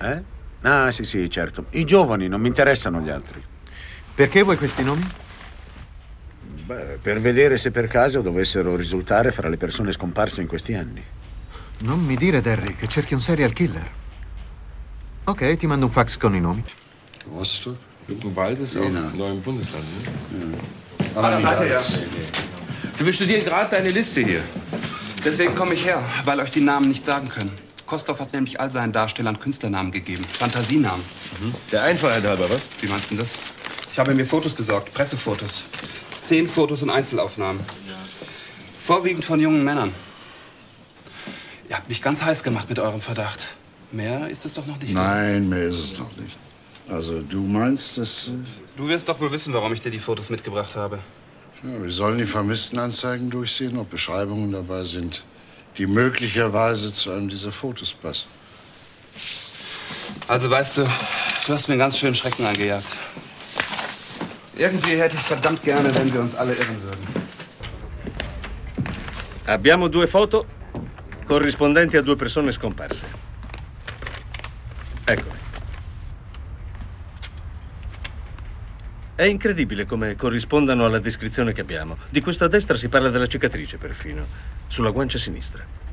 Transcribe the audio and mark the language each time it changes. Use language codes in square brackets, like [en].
[it] Eh? Ah, sì, sì, certo. I giovani, non mi interessano gli altri. Perché vuoi questi nomi? Beh, per vedere se per caso dovessero risultare fra le persone scomparse in questi anni. Non mi dire, Derry, che cerchi un serial killer. Ok, ti mando un fax con i nomi. Rostock? [de] Luckenwald ist auch ein neuer Bundesland, ne? Ja. Aber das hat er ja. Du studierst gerade deine Liste hier. Deswegen komme ich her, weil euch die Namen nicht sagen können. Kostloff hat nämlich all seinen Darstellern Künstlernamen gegeben. Fantasienamen. Mhm. Der Einfachheit halber, was? Wie meinst du denn das? Ich habe mir Fotos besorgt, Pressefotos. 10 Fotos und Einzelaufnahmen. Vorwiegend von jungen Männern. Ihr habt mich ganz heiß gemacht mit eurem Verdacht. Mehr ist es doch noch nicht. Nein, mehr ist es noch nicht. Also, du meinst, dass... Du wirst doch wohl wissen, warum ich dir die Fotos mitgebracht habe. Ja, wir sollen die Vermisstenanzeigen durchsehen, ob Beschreibungen dabei sind, die möglicherweise zu einem dieser Fotos passen. Also, weißt du, du hast mir ganz schön Schrecken eingejagt. Irgendwie hätte ich verdammt gerne, wenn wir uns alle irren würden. [it] Abbiamo due foto corrispondenti a due persone scomparse. Eccole. È incredibile come corrispondano alla descrizione che abbiamo. Di questa a destra si parla della cicatrice, perfino, sulla guancia sinistra.